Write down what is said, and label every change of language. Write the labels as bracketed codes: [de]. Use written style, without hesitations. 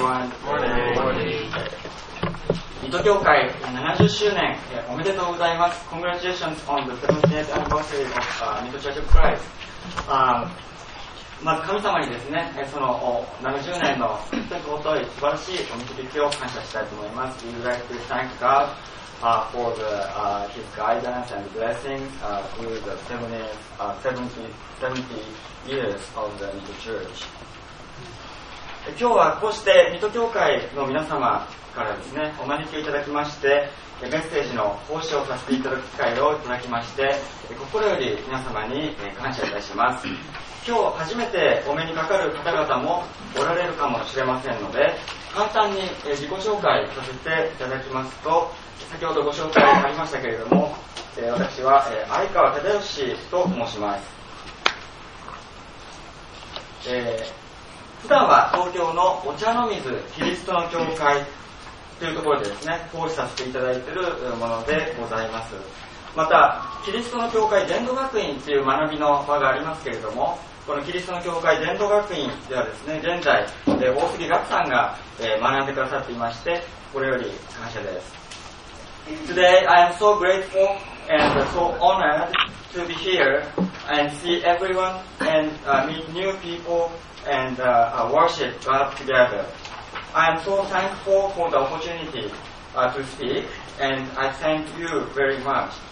[en] Good morning everyone。 [ja] 水戸協会70周年、おめでとうございます。 [en] Congratulations on the 70th anniversary of 水戸 Church of Christ。 [ja] まず神様にですね、その70年の本当に尊い素晴らしいお導きを感謝したいと思います。 [en] We'd like to thank Godfor the, his guidance and blessings through the 70 years of the 水戸 Church。 [ja] 今日はこうして水戸教会の皆様からですね、お招きをいただきまして、メッセージの奉仕をさせていただく機会をいただきまして、心より皆様に感謝いたします。今日初めてお目にかかる方々もおられるかもしれませんので、簡単に自己紹介させていただきますと、先ほどご紹介ありましたけれども、私は相川忠義と申します。普段は東京のお茶の水キリストの教会というところでですね、奉仕させていただいているものでございます。またキリストの教会伝道学院という学びの場がありますけれども、このキリストの教会伝道学院ではですね、現在大杉岳さんが学んでくださっていまして、これより感謝です。 [en] Today I am so grateful and so honored to be here and see everyone and meet new people and worship God together。 I am so thankful for the opportunity to speak, and I thank you very much.